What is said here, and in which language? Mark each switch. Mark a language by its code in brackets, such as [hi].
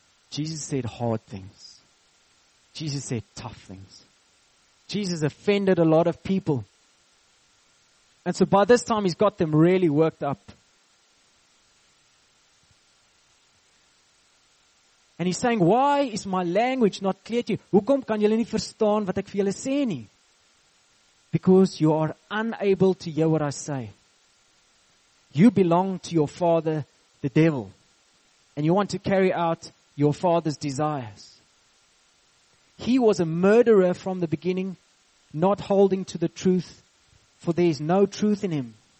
[en] Jesus said hard things. Jesus said tough things. Jesus offended a lot of people. And so by this time he's got them really worked up. And he's saying, why is my language not clear to you? [af] Hoekom kan julle nie verstaan wat ek vir julle sê nie? [en] Because you are unable to hear what I say. You belong to your father, the devil. And you want to carry out your father's desires. He was a murderer from the beginning, not holding to the truth, for there is no truth in him.